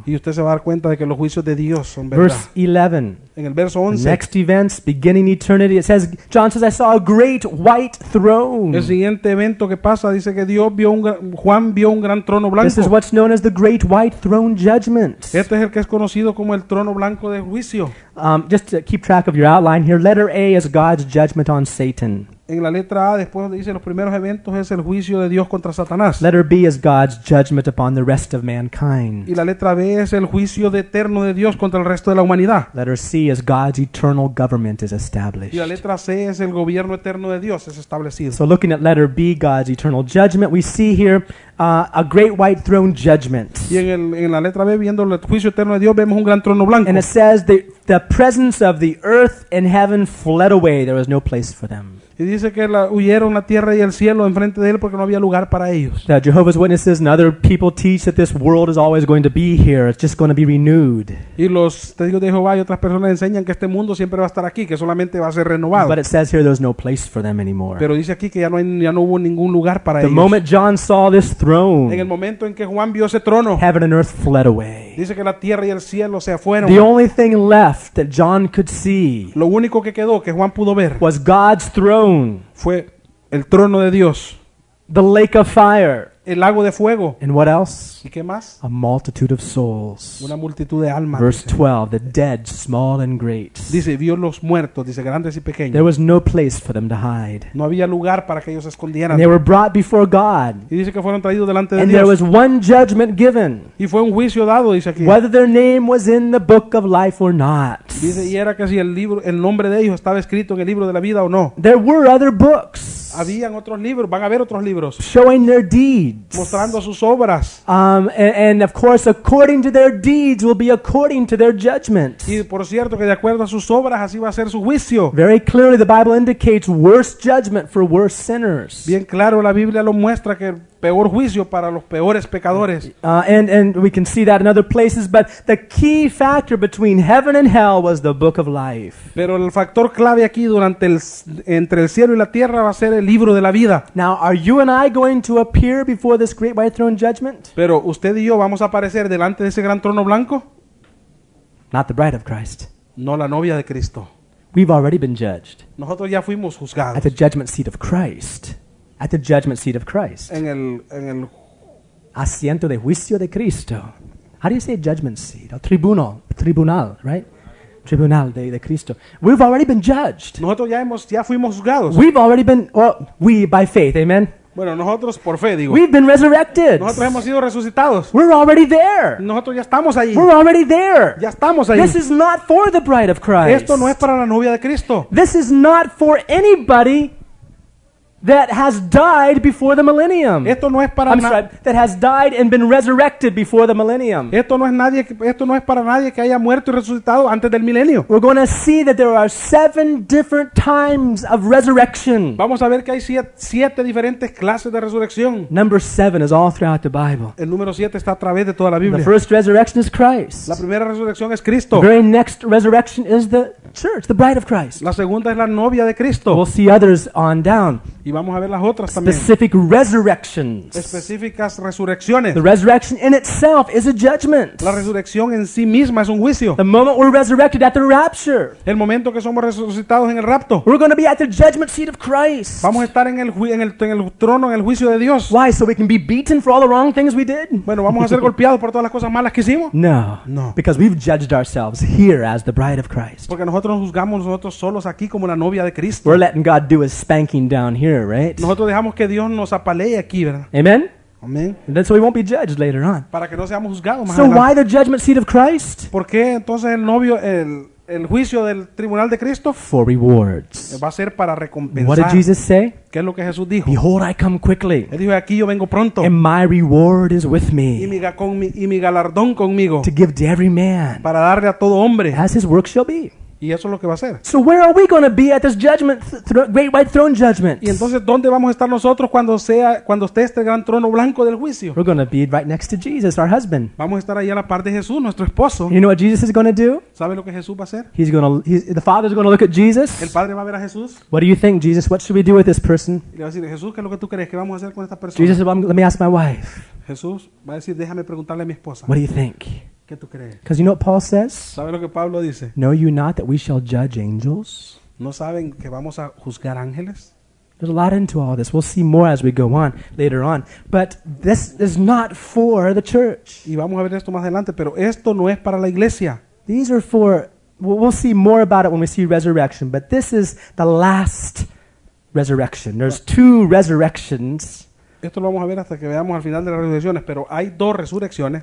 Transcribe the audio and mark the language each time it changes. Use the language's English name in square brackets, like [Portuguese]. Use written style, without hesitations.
[Spanish] Y usted se va a dar cuenta de que los juicios de Dios son verdad. [English] Verse 11. [Spanish] En el verso 11. [English] Next events, beginning eternity. It says, John says, I saw a great white throne. [Spanish] El siguiente evento que pasa, dice que Dios vio Juan vio un gran trono blanco. [English] This is what's known as the great white throne judgment. [Spanish] Este es el que es conocido como el trono blanco de juicio. [English] Just to keep track of your outline here, letter A is God's judgment on Satan. [Spanish] En la letra A, después dice los primeros eventos es el juicio de Dios contra Satanás. [English] Letter B is God's judgment upon the rest of mankind. [Spanish] Y la letra B es el juicio de eterno de Dios contra el resto de la humanidad. [English] Letter C is God's eternal government is established. [Spanish] Y la letra C es el gobierno eterno de Dios es establecido. [English] So looking at letter B, God's eternal judgment, we see here a great white throne judgment. [Spanish] Y en la letra B, viendo el juicio eterno de Dios, vemos un gran trono blanco. [English] And it says the presence of the earth and heaven fled away. There was no place for them. [Spanish] Y dice que huyeron la tierra y el cielo enfrente de él porque no había lugar para ellos. [English] Now, Jehovah's Witnesses and other people teach that this world is always going to be here. It's just going to be renewed. [Spanish] Y los testigos de Jehová y otras personas enseñan que este mundo siempre va a estar aquí, que solamente va a ser renovado. [English] But it says here there's no place for them anymore. [Spanish] Pero dice aquí que ya no hubo ningún lugar para [English] the [Spanish] ellos. [English] The moment John saw this throne, [Spanish] en el momento en que Juan vio ese trono, [English] heaven and earth fled away. [Spanish] Dice que la tierra y el cielo se fueron. [English] The only thing left that John could see, [Spanish] lo único que quedó que Juan pudo ver, [English] was God's throne. [Spanish] Fue el trono de Dios. [English] The lake of fire. [Spanish] El lago de fuego. [English] And what else? [Spanish] ¿Y qué más? [English] A multitude of souls. [Spanish] Una multitud de almas. [English] Verse 12, the dead, small and great. [Spanish] Dice, vio los muertos, dice, grandes y pequeños. [English] There was no place for them to hide. [Spanish] No había lugar para que ellos se escondieran. [English] And they were brought before God. [Spanish] Y dice que fueron traídos delante de [English] and [Spanish] Dios. [English] There was one judgment given. [Spanish] Y fue un juicio dado, dice aquí. [English] Whether their name was in the book of life or not. [Spanish] Dice, y era que si el nombre de ellos estaba escrito en el libro de la vida o no. [English] There were other books. [Spanish] Habían otros libros, van a haber otros libros. [English] Showing their deeds. [Spanish] Mostrando sus obras. [English] And of course, according to their deeds will be according to their judgment. [Spanish] Y por cierto, que de acuerdo a sus obras, así va a ser su juicio. [English] Very clearly, the Bible indicates worse judgment for worse sinners. [Spanish] Bien claro, la Biblia lo muestra que peor juicio para los peores pecadores. [English] And we can see that in other places, but the key factor between heaven and hell was the book of life. [Spanish] Pero el factor clave aquí durante el entre el cielo y la tierra va a ser el libro de la vida. [English] Now, are you and I going to appear before this great white throne judgment? [Spanish] Pero usted y yo vamos a aparecer delante de ese gran trono blanco. [English] Not the bride of Christ. [Spanish] No la novia de Cristo. [English] We've already been judged. [Spanish] Nosotros ya fuimos juzgados. [English] At the judgment seat of Christ. At the judgment seat of Christ. [Spanish] En el asiento de juicio de Cristo. [English] How do you say judgment seat? Tribunal, right? [Spanish] Tribunal de Cristo. [English] We've already been judged. [Spanish] Nosotros ya fuimos juzgados. [English] We've already been, we by faith, amen? [Spanish] Bueno, nosotros por fe, digo. [English] We've been resurrected. [Spanish] Nosotros hemos sido resucitados. [English] We're already there. [Spanish] Nosotros ya estamos ahí. [English] We're already there. [Spanish] Ya estamos ahí. [English] This is not for the bride of Christ. [Spanish] Esto no es para la novia de Cristo. [English] This is not for anybody that has died before the millennium. [Spanish] Esto no es para [English] that has died and been resurrected before the millennium. [Spanish] Esto no es para nadie que haya muerto y resucitado antes del milenio. [English] We're going to see that there are seven different times of resurrection. [Spanish] Vamos a ver que hay siete diferentes clases de resurrección. [English] Number seven is all throughout the Bible. [Spanish] El número siete está a través de toda la Biblia. [English] The first resurrection is Christ. [Spanish] La primera resurrección es Cristo. [English] The very next resurrection is the church, the bride of Christ. [Spanish] La segunda es la novia de Cristo. [English] We'll see others on down. [Spanish] Y vamos a ver las otras también. [English] Specific resurrections. [Spanish] Específicas resurrecciones. [English] The resurrection in itself is a judgment. [Spanish] La resurrección en sí misma es un juicio. [English] The moment we're resurrected at the rapture. [Spanish] El momento que somos resucitados en el rapto. [English] We're going to be at the judgment seat of Christ. [Spanish] Vamos a estar en el trono, en el juicio de Dios. [English] Why? So we can be beaten for all the wrong things we did? [Spanish] Bueno, vamos a ser golpeados por todas las cosas malas que hicimos. [English] No. Because we've judged ourselves here as the bride of Christ. [Spanish] Porque nosotros nos juzgamos nosotros solos aquí como la novia de Cristo. [English] We're letting God do his spanking down here. Right? [Spanish] Nosotros dejamos que Dios nos apalee aquí, ¿verdad? [English] Amen. [Spanish] Amen. [English] And then so we won't be judged later on. [Spanish] Para que no seamos juzgados más [English] so [Spanish] adelante. [English] Why the judgment seat of Christ? [Spanish] ¿Por qué entonces el juicio del tribunal de Cristo? [English] For rewards. [Spanish] Va a ser para recompensar. [English] What did Jesus say? [Spanish] ¿Qué es lo que Jesús dijo? [English] Behold, I come quickly. [Spanish] Él dijo, aquí yo vengo pronto. [English] And my reward is with me. [Spanish] Y mi galardón conmigo. [English] To give to every man. [Spanish] Para darle a todo hombre. [English] As his work shall be. [Spanish] Y eso es lo que va a hacer. [English] So where are we going to be at this judgment, great white throne judgment? [Spanish] Y entonces dónde vamos a estar nosotros cuando esté este gran trono blanco del juicio? [English] We're going to be right next to Jesus, our husband. [Spanish] Vamos a estar ahí a la par de Jesús, nuestro esposo. [English] You know what Jesus is going to do? [Spanish] ¿Sabe lo que Jesús va a hacer? [English] The Father is going to look at Jesus. [Spanish] El Padre va a ver a Jesús. [English] What do you think, Jesus? What should we do with this person? [Spanish] Y le va a decir, Jesús, ¿qué es lo que tú crees que vamos a hacer con esta persona? [English] Jesus, let me ask my wife. [Spanish] Jesús va a decir, déjame preguntarle a mi esposa. [English] What do you think? Because you know what Paul says? [Spanish] ¿Sabe lo que Pablo dice? [English] Know you not that we shall judge angels? [Spanish] ¿No saben que vamos a juzgar ángeles? [English] There's a lot into all this. We'll see more as we go on later on. But this is not for the church. [Spanish] Y vamos a ver esto más adelante, pero esto no es para la iglesia. [English] These are for, we'll see more about it when we see resurrection, but this is the last resurrection. There's two resurrections. [Spanish] Esto lo vamos a ver hasta que veamos al final de las resurrecciones, pero hay dos resurrecciones.